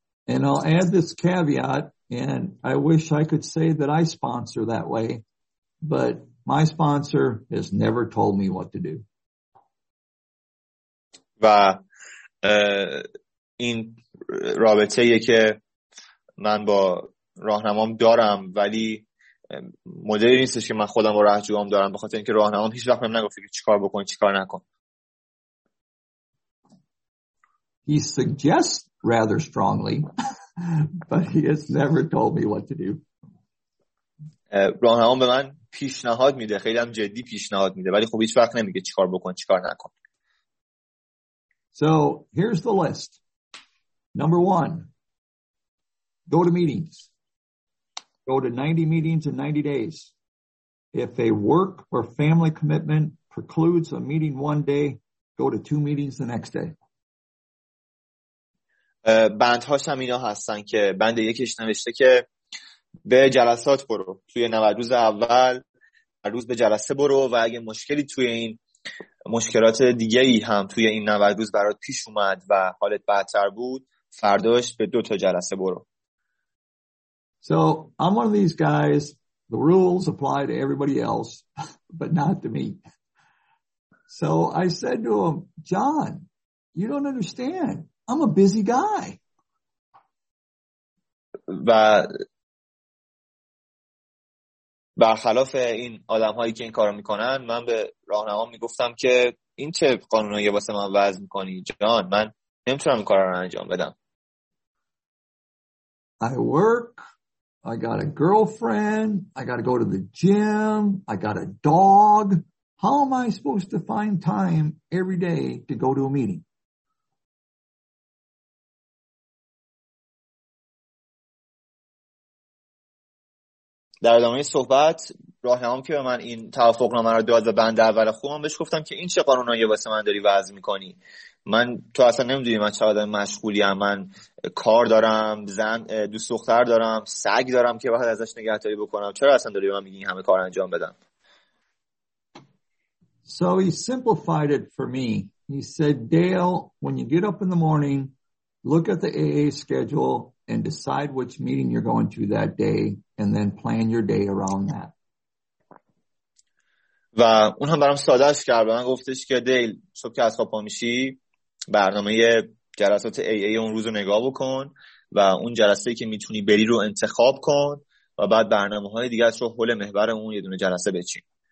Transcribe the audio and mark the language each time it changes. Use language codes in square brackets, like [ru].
[en] And I'll add this caveat, and I wish I could say that I sponsor that way, but my sponsor has never told me what to do. [fa] و این رابطه یه که من با راهنمام دارم ولی مدلی نیستش که من خودم با راهجوام دارم بخاطر اینکه راهنمام هیچ وقت بهم نگفته که چیکار بکن چیکار نکن. [en] He suggests rather strongly, but he has never told me what to do. [fa] راهنمام به من پیشنهاد میده، خیلی هم جدی پیشنهاد میده، ولی خب هیچ وقت نمیگه چیکار بکن چیکار نکن. [en] So here's the list. Number one, go to meetings. Go to 90 meetings in 90 days. If a work or family commitment precludes a meeting one day, go to 2 meetings the next day. [fa] بندهاش هم اینا هستن که بند یکیش نوشته که به جلسات برو. توی 90 روز اول هر روز به جلسه برو و اگه مشکلی توی این مشکلات دیگه ای هم توی این 90 روز برات پیش اومد و حالت بدتر بود فرداش به 2 تا جلسه برو. [en] So I'm one of these guys, the rules apply to everybody else, but not to me. So I said to him, John, you don't understand. I'm a busy guy. [fa] و برخلاف این آدم هایی که این کار رو میکنن، من به راهنمام میگفتم که این چه قانونیه واسه من وضع میکنی؟ جان، من نمیتونم این کار رو انجام بدم. [en] I work. I got a girlfriend, I got to go to the gym, I got a dog. How am I supposed to find time every day to go to a meeting? [fa] در ادامه صحبت راهنمام که به من این توافقنامه رو داد و بند اول خودم بهش گفتم که این چه قانونایی واسه من داری وضع می‌کنی؟ من تو اصلا نمیدونی من چه آدم مشغولی هم، من کار دارم، زن دوست دختر دارم، سگ دارم که باید ازش نگهداری بکنم، چرا اصلا داری به من میگی این همه کار انجام بدم؟ [en] So he simplified it for me. He said, Dale, when you get up in the morning, look at the AA schedule and decide which meeting you're going to that day and then plan your day around that. [fa] و اون هم برام سادهش کرد، به من گفتش که دیل صبح که از خواب پا میشی برنامه جلسات AA اون روز رو نگاه بکن و اون جلسه که میتونی بری رو انتخاب کن و بعد برنامه های دیگه از رو حول محور اون یه دونه جلسه بچین.